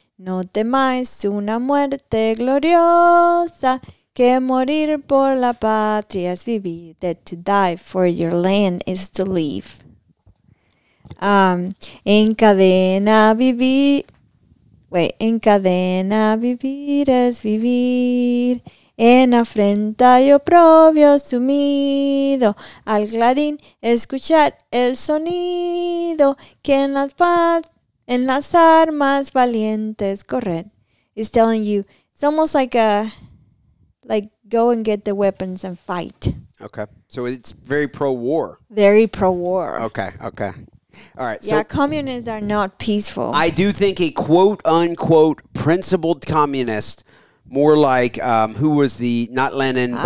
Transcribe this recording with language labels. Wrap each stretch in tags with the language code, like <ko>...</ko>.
<es>No temáis una muerte gloriosa, que morir por la patria es vivir.</es> <en>That to die for your land is to live.</en> <es>En cadena vivir.</es> <en>Wait,</en> <es>en cadena vivir es vivir, en afrenta y oprobio sumido, al clarín escuchar el sonido, que en la paz, en las armas valientes correr.</es> <en>It's telling you, it's almost like go and get the weapons and fight. Okay, so it's very pro-war. Very pro-war. Okay. All right. Yeah, so communists are not peaceful. I do think a quote-unquote principled communist, more like who was the, not Lenin, but...</en>